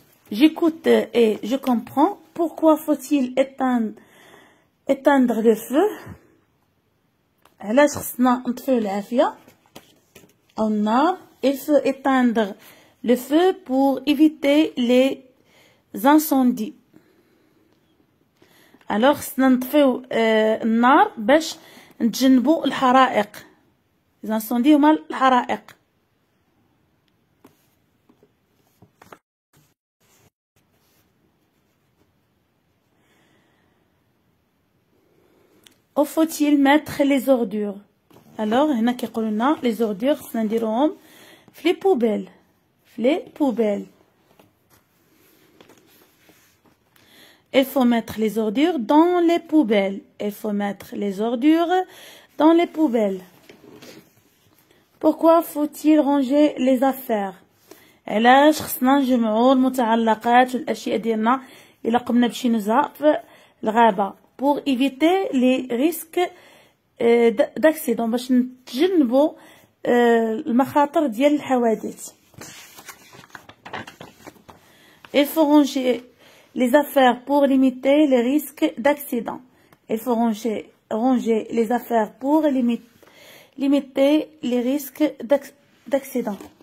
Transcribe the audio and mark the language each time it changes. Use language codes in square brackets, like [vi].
[fr] J'écoute et je comprends. Pourquoi faut-il éteindre le feu? [ar] علاش خصنا نطفيو العافية أو النار؟ [fr] il faut éteindre le feu pour éviter les incendies. [ar] alors خصنا نطفيو النار باش نتجنبو الحرائق. [fr] les incendies [ar] هما الحرائق. [fr] Où faut-il mettre les ordures? [ar] Alors, هنا كيقولوا لنا لي زوردور خصنا نديروهم في لي بوبيل. في لي بوبيل. [fr] Il faut mettre les ordures dans les poubelles. Il faut mettre les ordures dans les poubelles. Pourquoi faut-il ranger les affaires? [ar] علاش خصنا نجمعوا المتعلقات والاشياء ديالنا الا قمنا بشي نزهه في الغابه؟ [fr] pour éviter les risques d'accident. [ar] باش نتجنبوا المخاطر ديال الحوادث. [fr] il faut ranger les affaires pour limiter les risques d'accident. il faut ranger les affaires pour limiter les risques d'accident.